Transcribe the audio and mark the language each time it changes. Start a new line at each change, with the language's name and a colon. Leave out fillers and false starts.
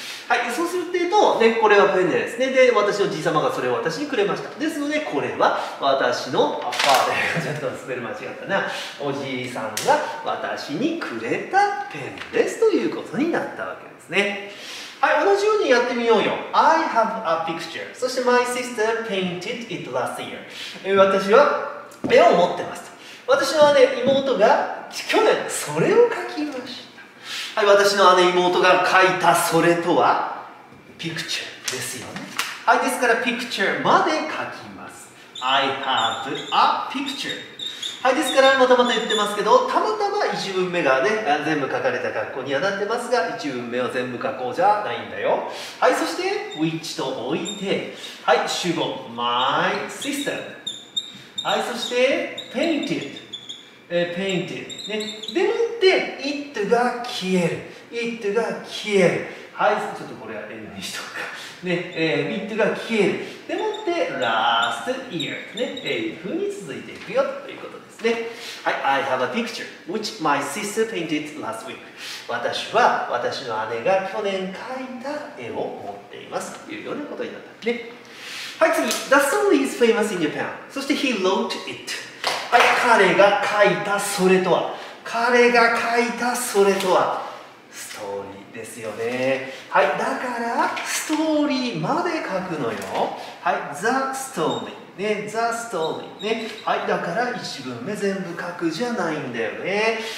Japanese: はい、そうするというと、ね、これはペンですね。で、私のじい様がそれを私にくれました。ですので、これは私のパパで、ちょっと滑る間違ったな、おじいさんが私にくれたペンですということになったわけですね。はい、同じようにやってみようよ。
English: I have a picture.
Japanese: そして
English: my sister painted it last year.
Japanese: 私はペンを持ってます。私の姉、妹が去年それを描きました。はい、私の姉、妹が描いたそれとは picture ですよね。はい、ですから picture まで描きます。
English: I have a picture.
Japanese: はい、ですから、またまた言ってますけど、たまたま1文目がね、全部書かれた格好にはなってますが、1文目は全部格好じゃないんだよ。はい、そして、which と置いて、はい、主語、my sister。はい、そして、painted。 painted。 ね。でもって、it が消える。it が消える。はい、ちょっとこれは N にしとくか。ね、it が消える。でもって、last year。ね、風に続いていくよ、ということ。
English: ね、はい、I have a picture which my sister painted last week。
Japanese: 私は私の姉が去年描いた絵を持っています、というようなことになったね。
English: はい、次、 The song is famous in Japan。
Japanese: そして
English: he wrote it。
Japanese: はい、彼が描いたそれとは、彼が描いたそれとはストーリーですよね。はい、だからストーリーまで描くのよ。はい、 The storyね、The story、ね、はい、だから1文目全部書くじゃないんだよね。